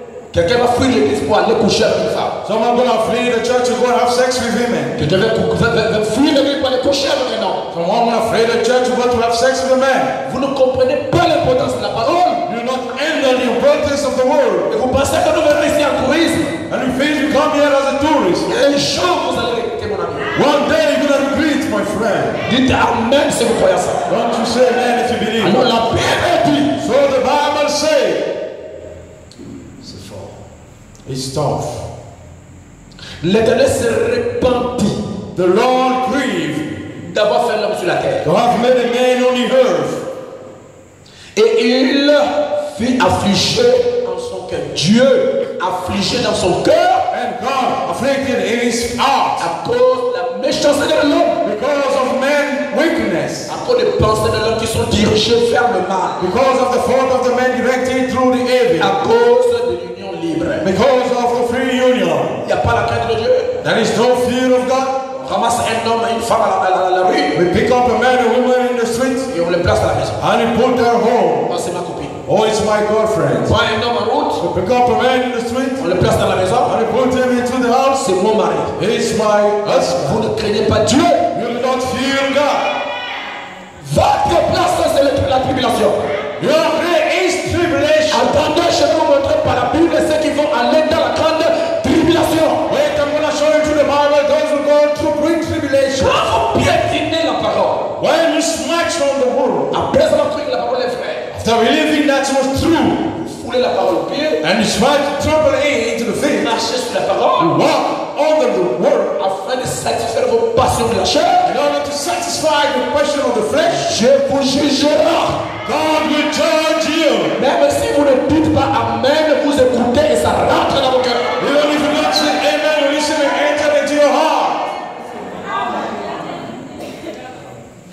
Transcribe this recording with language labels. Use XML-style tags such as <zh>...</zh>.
<fr>Quelqu'un va fuir l'église pour aller coucher avec une femme.</fr> <en>Someone gonna flee the church to go have sex with women.</en> <fr>Quelqu'un va fuir l'église pour aller coucher avec un homme.</fr> <en>Someone gonna flee the church to go to have sex with a man.</en> <fr>Vous ne comprenez pas l'importance de la parole.</fr> <en>You're not entering the importance of the word.</en> <fr>Et vous pensez que nous venons ici en tourisme.</fr> <en>And you think you come here as a tourist.</en> <fr>Et un jour vous allez regretter, mon ami.</fr> <en>One day you're gonna regret, my friend.</en> <fr>Dites amen si vous croyez ça.</fr> <en>Don't you say amen if you believe.</en> <fr>Alors la Bible dit.</fr> <en>So the Bible says. It's tough.</en> <fr>L'Éternel se repentit.</fr> <en>The Lord grieved.</en> <fr>D'avoir fait l'homme sur la terre.</fr> <en>To have made a man on the earth.</en> <fr>Et il fit affliger dans son cœur. Dieu affligeait dans son cœur.</fr> <en>And God afflicted in his heart.</en> <fr>À cause de la méchanceté de l'homme.</fr> <en>Because of man's weakness.</en> <fr>À cause des pensées de l'homme qui sont dirigées vers le mal.</fr> <en>Because of the thought of the man directed through the evil.</en> <fr>À cause de</fr> <en>because of the free union.</en> <fr>Y a pas la crainte de Dieu.</fr> <en>There is no fear of God.</en> <fr>On ramasse un homme et une femme à la rue.</fr> <en>We pick up a man and woman in the street.</en> <fr>Et on les place à la maison.</fr> <en>And we put their home.</en> <fr>Oh, c'est ma copine.</fr> <en>Oh, it's my girlfriend.</en> <fr>On prend un homme en route.</fr> <en>We pick up a man in the street.</en> <fr>On les place dans la maison.</fr> <en>And we put him into the house.</en> <fr>C'est mon mari.</fr> <en>It's my husband.</en> <fr>Vous ne craignez pas Dieu.</fr> <en>You will not fear God.</en> <fr>Votre place c'est la tribulation.</fr> <en>Your place is tribulation.</en> <fr>Attendez, je vous montre par la Bible ce qui vont aller dans la grande tribulation.</fr> <en>Wait, I'm gonna show you through the Bible those who go through great tribulation.</en> <fr>Quand vous piétinez la parole,</fr> <en>when you snatch from the word,</en> <fr>après avoir cru la parole est vraie,</fr> <en>after believing that it was true,</en> <fr>vous foulez la parole au pied,</fr> <en>and you smash trouble into the face,</en> <fr>marchez sur la parole,</fr> <en>you walk under the word,</en> <fr>afin de satisfaire vos passions de la chair,</fr> <en>in order to satisfy the passion of the flesh,</en> <fr>je vous jugera.</fr> <en>God will judge you.</en> <fr>Même si vous ne dites pas amen, vous écoutez et ça rentre dans vos cœurs.</fr> <en>Even if you don't say amen, you listen and enter into your heart.</en>